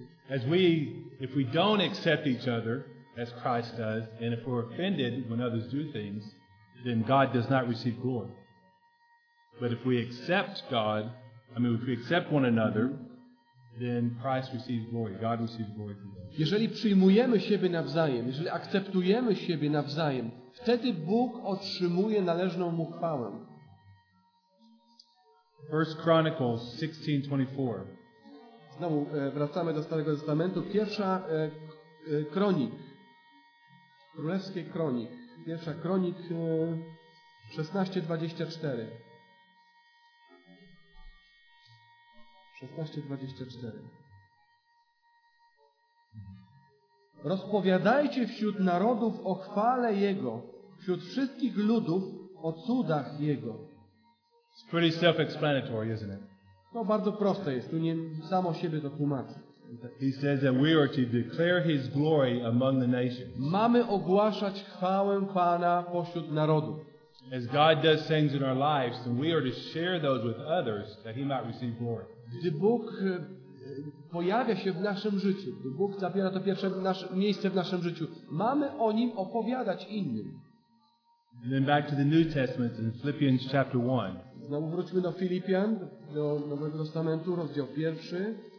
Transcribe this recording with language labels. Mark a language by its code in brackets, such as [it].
[en] As we, if we don't accept each other as Christ does, and if we're offended when others do things, then God does not receive glory. But if we accept God, I mean, if we accept one another, then Christ receives glory. God receives glory through us. [pl] Jeżeli przyjmujemy siebie nawzajem, jeżeli akceptujemy siebie nawzajem, wtedy Bóg otrzymuje należną mu chwałę. [en] 1 Chronicles 16:24. [pl] Znowu wracamy do Starego Testamentu. Pierwsza Kronik. Królewskie Kronik. Pierwsza Kronik 16:24. 16:24. Rozpowiadajcie wśród narodów o chwale Jego, wśród wszystkich ludów o cudach Jego. [en] It's pretty self-explanatory, isn't it? [pl] To bardzo proste jest. Tu nie samo siebie to tłumaczy. [en] He says that we are to declare His glory among the nations. [pl] Mamy ogłaszać chwałę Pana pośród narodów. [en] As God does things in our lives, then we are to share those with others that He might receive glory. [pl] Gdy Bóg pojawia się w naszym życiu, gdy Bóg zabiera to pierwsze miejsce w naszym życiu, mamy o Nim opowiadać innym. [en] And then back to the New Testament in Philippians chapter 1. [pl] Znowu wróćmy do Filipian, do Nowego Testamentu, rozdział pierwszy.